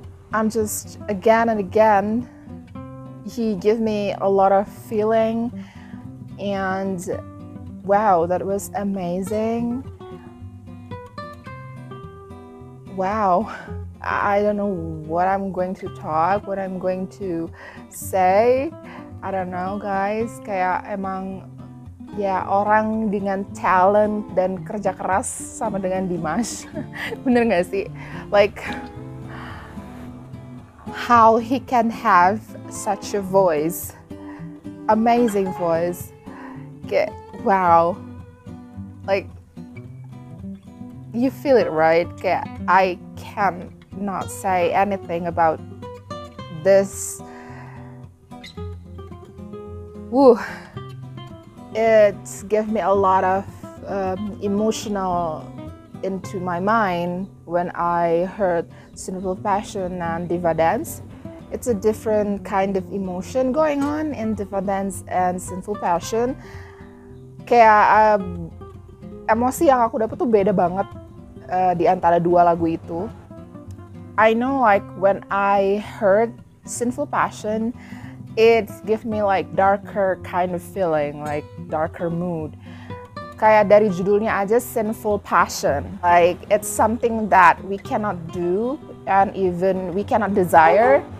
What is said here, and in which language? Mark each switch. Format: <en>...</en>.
<en>I'm just again and again, he gave me a lot of feeling, and wow, that was amazing. Wow, I don't know what I'm going to talk, what I'm going to say. I don't know, guys.</en> <id>Kayak emang ya orang dengan talent dan kerja keras sama dengan Dimash. Bener nggak sih?</id> <en>Like how he can have such a voice, amazing voice. Kayak, wow. Like you feel it, right? Kayak I cannot say anything about this. Woo. It gave me a lot of emotional into my mind when I heard Sinful Passion and Divadance. It's a different kind of emotion going on in Divadance and Sinful Passion.</en> <id>Kayak emosi yang aku dapat tuh beda banget di antara dua lagu itu.</id> <en>I know, like when I heard Sinful Passion, it gave me like darker kind of feeling, like darker mood.</en> <id>Kayak dari judulnya aja, Sinful Passion.</id> <en>Like it's something that we cannot do and even we cannot desire.</en>